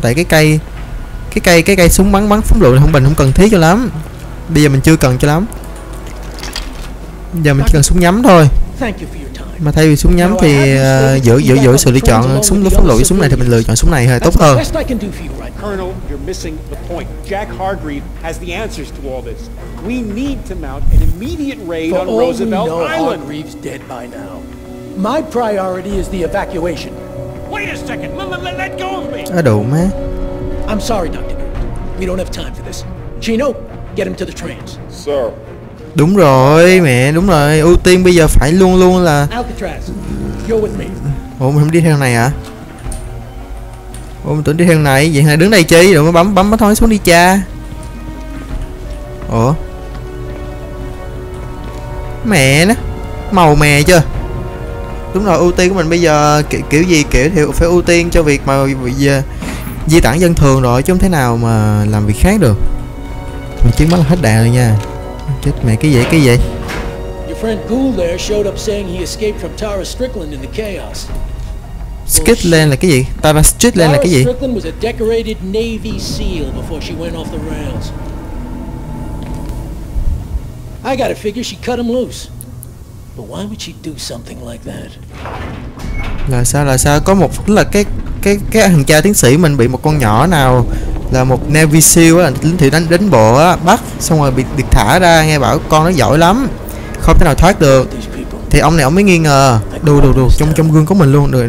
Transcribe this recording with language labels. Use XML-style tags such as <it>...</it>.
<vi>Tại cái cây súng bắn phóng lựu không bình không cần thiết cho lắm. Bây giờ mình chưa cần cho lắm. Giờ mình chỉ cần súng nhắm thôi. Mà thay vì súng nhắm thì giữ sự lựa chọn súng lúc phóng lựu súng này thì mình lựa chọn súng này thì tốt hơn.</vi> <en>Colonel, you're missing the point. Jack Hargreave has the answers to all this. We need to mount an immediate raid on Roosevelt Island. Hargreave's dead by now. My priority is the evacuation. Wait a second. Let go of me.</en> <vi>À đủ má.</vi> <en>I'm sorry, Dr. We don't have time for this. Chino, get him to the trains. Sir.</en> <vi>Đúng rồi, mẹ, đúng rồi. Ưu tiên bây giờ phải luôn luôn là</vi> <en>Alcatraz. You're with me.</en> <vi>Ủa, mình không đi theo này hả? Ủa, mình tưởng đi theo này. Vậy này đứng đây chi? Đừng có bấm thôi xuống đi cha. Ủa? Mẹ nó. Màu mè chưa? Đúng rồi, ưu tiên của mình bây giờ kiểu gì kiểu thì phải ưu tiên cho việc mà di tản dân thường rồi, chứ không thế nào mà làm việc khác được. Mình chiến bắn là hết đạn rồi nha. Chết mẹ, cái gì?</vi> <en>Your friend Ghoul there showed up saying he escaped from Tara Strickland in the chaos.</en> <vi>Strickland là cái gì? Tara Strickland là cái gì?</vi> <en>Strickland was a decorated Navy SEAL before she went off the rails. I gotta figure she cut him loose. But why would she do something like that?</en> <vi>Là sao? Có một là cái thằng cha tiến sĩ mình bị một con nhỏ nào là một Navy SEAL á, lính thủy đánh bộ á, bắt xong rồi bị được thả ra, nghe bảo con nó giỏi lắm, không thể nào thoát được. Thì ông này ông mới nghi ngờ. Đù, trong gương có mình luôn.</vi>